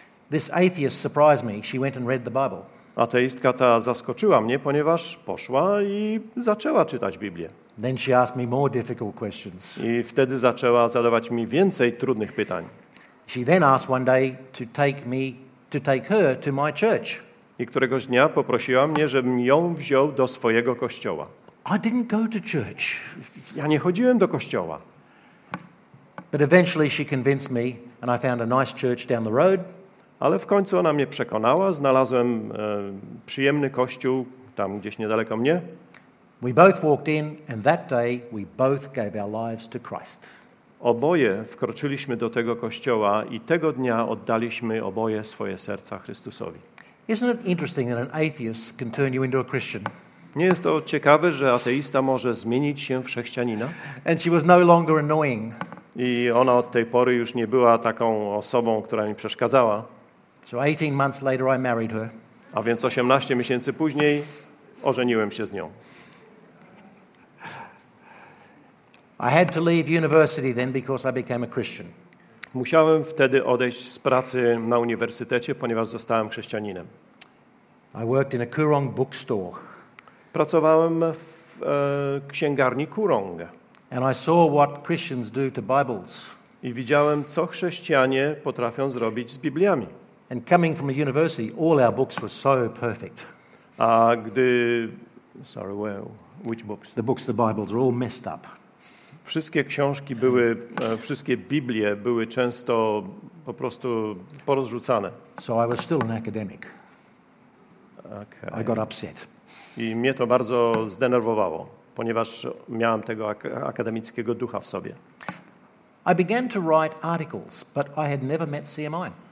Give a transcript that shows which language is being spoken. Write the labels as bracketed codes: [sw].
[en] This atheist surprised me. She went and read the Bible. [pl] Ateistka ta zaskoczyła mnie, ponieważ poszła i zaczęła czytać Biblię. [en] Then she asked me more difficult questions. [pl] I wtedy zaczęła zadawać mi więcej trudnych pytań. [en] She then asked one day to take me, to take her to my church. [pl] I któregoś dnia poprosiła mnie, żebym ją wziął do swojego kościoła. [en] I didn't go to church. [pl] Ja nie chodziłem do kościoła. [en] But eventually she convinced me and I found a nice church down the road. [pl] Ale w końcu ona mnie przekonała, znalazłem przyjemny kościół tam gdzieś niedaleko mnie. [en] We both walked in and that day we both gave our lives to Christ. [pl] Oboje wkroczyliśmy do tego kościoła i tego dnia oddaliśmy oboje swoje serca Chrystusowi. [en] Isn't it interesting that an atheist can turn you into a Christian? [pl] Nie jest to ciekawe, że ateista może zmienić się w chrześcijanina? [en] And she was no longer annoying. [pl] I ona od tej pory już nie była taką osobą, która mi przeszkadzała. [en] So 18 months later I married her. [pl] A więc 18 miesięcy później ożeniłem się z nią. [en] I had to leave university then because I became a Christian. [pl] Musiałem wtedy odejść z pracy na uniwersytecie, ponieważ zostałem chrześcijaninem. [en] I worked in a Kurong bookstore. [pl] Pracowałem w księgarni Kurong. [en] And I saw what Christians do to Bibles. [pl] I widziałem, co chrześcijanie potrafią zrobić z Bibliami. [en] And coming from a university, all our books were so perfect. [pl] A gdy, [en] sorry, well, which books? The books, the Bibles were all messed up. [pl] Wszystkie książki były, wszystkie Biblie były często po prostu porozrzucane. [en] So I was still an academic. Okay. I got upset. [pl] I mnie to bardzo zdenerwowało, ponieważ miałem tego akademickiego ducha w sobie. [en] I began to write articles, but I had never met CMI.